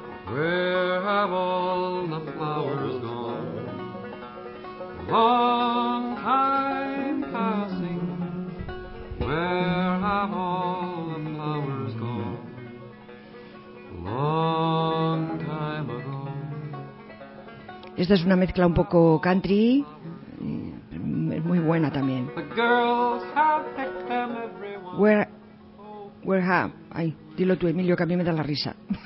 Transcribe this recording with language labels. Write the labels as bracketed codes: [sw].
[en] Where have all the flowers gone? Long time passing. Where have all the flowers gone? Long time ago. [es] Esta es una mezcla un poco country, es muy buena también. [en] The girls have picked them everyone. Where have? [es] Ay, dilo tú, Emilio, que a mí me da la risa.